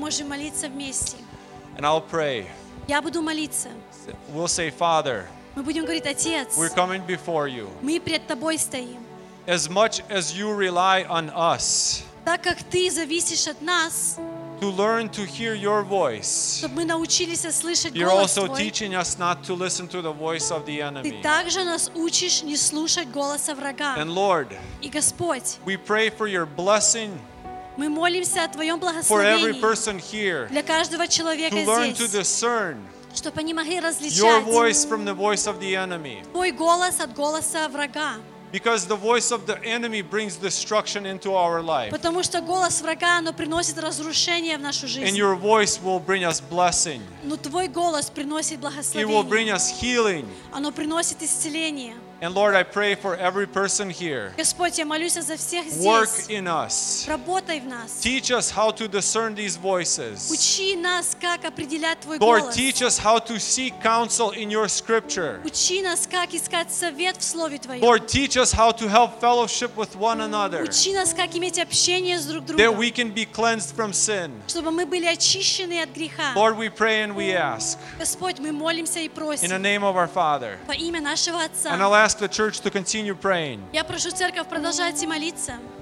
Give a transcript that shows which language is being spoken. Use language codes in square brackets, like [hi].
[ru] Мы можем молиться вместе. [en] And I'll pray. [ru] Я буду молиться. [en] We'll say, Father. [ru] Мы будем говорить, Отец. [en] We're coming before you. [ru] Мы пред тобой стоим. [en] As much as you rely on us. [ru] Так как ты зависишь от нас. [en] To learn to hear your voice. [ru] Чтобы мы научились слышать голос твой. [en] You're also teaching us not to listen to the voice of the enemy. [ru] Ты также нас учишь не слушать голоса врага. [en] And Lord. [ru] И Господь. [en] We pray for your blessing. [ru] Мы молимся о твоем благословении. [en] For every person here. [ru] Для каждого человека здесь. [en] To learn to discern. [ru] Чтобы они могли различать. [en] Your voice from the voice of the enemy. [ru] Твой голос от голоса врага. [en] Because the voice of the enemy brings destruction into our life. [ru] Потому что голос врага, оно приносит разрушение в нашу жизнь. [en] And your voice will bring us blessing. [ru] Но твой голос приносит благословение. [en] It will bring us healing. [ru] Оно приносит исцеление. [en] And Lord, I pray for every person here. [ru] Господь, я молюсь за всех здесь. [en] Work in us. [ru] Работай в нас. [en] Teach us how to discern these voices. [ru] Учи нас, как определять твой голос. [en] Lord, teach us how to seek counsel in your scripture. [ru] Учи нас, как искать совет в слове твоем. [en] Lord, teach us how to have fellowship with one another. [ru] Учи нас, как иметь общение с друг другом. [en] That we can be cleansed from sin. [ru] Чтобы мы были очищены от греха. [en] Lord, we pray and we ask. [ru] Господь, мы молимся и просим. [en] In the name of our Father. [ru] По имя нашего Отца. [en] Ask the church to continue praying. [ru] Я прошу церковь продолжать молиться.